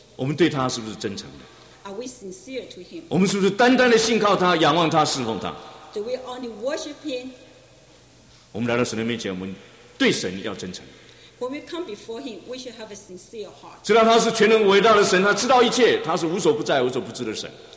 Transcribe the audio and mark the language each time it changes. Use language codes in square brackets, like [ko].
[zh] 我们对他是不是真诚的 [en] ？Are we sincere to him? [zh] 我们是不是单单的信靠他、仰望他、侍奉他？ [en] Do we only worship him? [zh] 我们来到神的面前，我们对神要真诚。 [en] When we come before him, we should have a sincere heart. [zh] 知道他是全能伟大的神，他知道一切，他是无所不在、无所不知的神。